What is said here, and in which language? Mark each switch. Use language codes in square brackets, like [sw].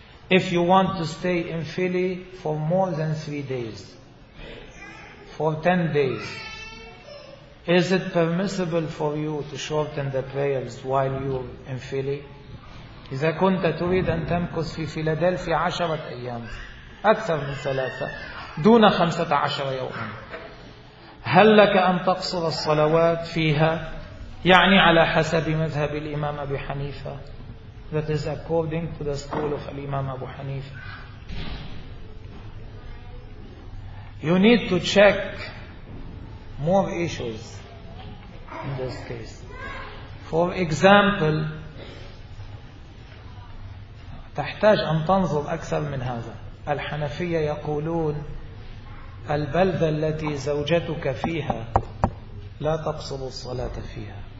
[en] If you want to stay in Philly for more than 3 days, for 10 days. Is it permissible for you to shorten the prayers while you're in Philly? [ar] إذا كنت تريد أن تمكث في فيلادلفيا 10 أيام أكثر من 3 دون 15 يوما هل لك أن تقصر الصلوات فيها؟ يعني على حسب مذهب الإمام أبي حنيفة. [en] That is according to the school of Imam Abu Hanifa. You need to check more issues in this case. For example, [ar] تحتاج أن تنظر أكثر من هذا. الحنفية يقولون البلدة التي زوجتك فيها لا تقصر الصلاة فيها.